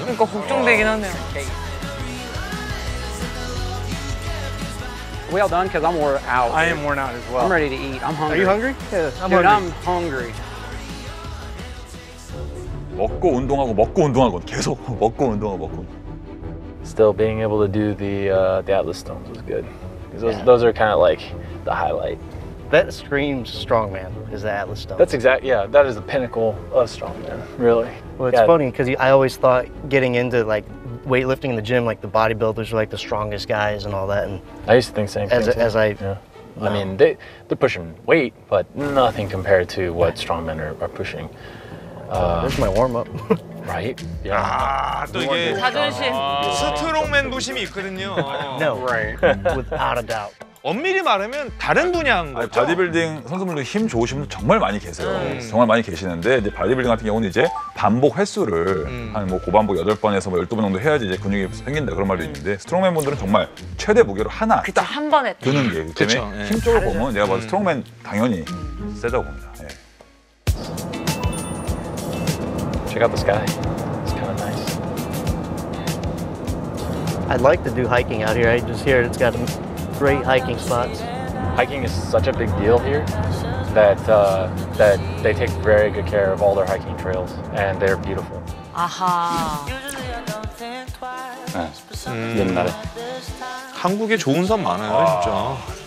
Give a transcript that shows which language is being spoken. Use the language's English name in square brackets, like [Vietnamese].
[Korean] 그러니까 걱정되긴 하네요. [English] Well done, because I'm worn out. I am worn out as well. I'm ready to eat. I'm hungry. Are you hungry? Yeah, I'm hungry. Dude, I'm hungry. [Korean] 먹고 운동하고 먹고 운동하고 계속 먹고 운동하고 먹고. [English] Still being able to do the Atlas Stones was good. Those are kind of like the highlight. That screams Strongman is the Atlas Stones. That's exactly, yeah, that is the pinnacle of Strongman, really. Well, it's funny because I always thought getting into like weightlifting in the gym, like the bodybuilders are like the strongest guys and all that. And I used to think same thing. I mean, they're pushing weight, but nothing compared to what strongmen are pushing. Where's my warm up? Right? [Korean] Yeah. 아, 또 이게 자존심. 스트롱맨 부심이 있거든요. [English] No, right. Without a doubt. [Korean] 엄밀히 말하면 다른 분야인 거죠? 아니, 바디빌딩 선수분들 힘 좋으신 분들 정말 많이 계세요. 정말 많이 계시는데 이제 바디빌딩 같은 경우는 이제 반복 횟수를 한 뭐 고반복 8번에서 뭐 12번 정도 해야지 이제 근육이 생긴다 그런 말도 있는데 스트롱맨 분들은 정말 최대 무게로 하나 딱 한 번에 드는 게 그쵸, 때문에 예. 힘 쪽을 다르죠. 보면 내가 봐도 스트롱맨 당연히 세다고 봅니다. 예. [English] Check out this guy. It's kind of nice. I'd like to do hiking out here. I just hear it's got great hiking spots. Hiking is such a big deal here that that they take very good care of all their hiking trails and they're beautiful. Aha. [Korean] 옛날에 한국에 좋은 섬 많아요, 진짜.